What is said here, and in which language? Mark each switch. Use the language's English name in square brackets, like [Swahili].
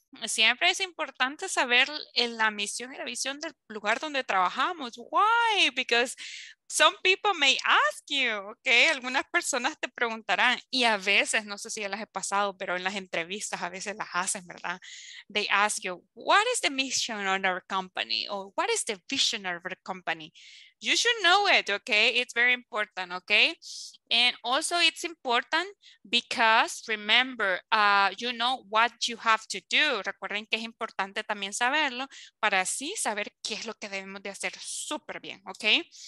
[Spanish] Siempre es importante saber en la misión y la visión del lugar donde trabajamos. Why? [English] Because some people may ask you, okay? [Spanish] Algunas personas te preguntarán y a veces, no sé si ya las he pasado, pero en las entrevistas a veces las hacen, ¿verdad? [English] They ask you, what is the mission of our company? Or what is the vision of our company? You should know it, okay? It's very important, okay? And also it's important because remember, you know what you have to do. [Spanish] Recuerden que es importante también saberlo para así saber qué es lo que debemos de hacer súper bien, okay?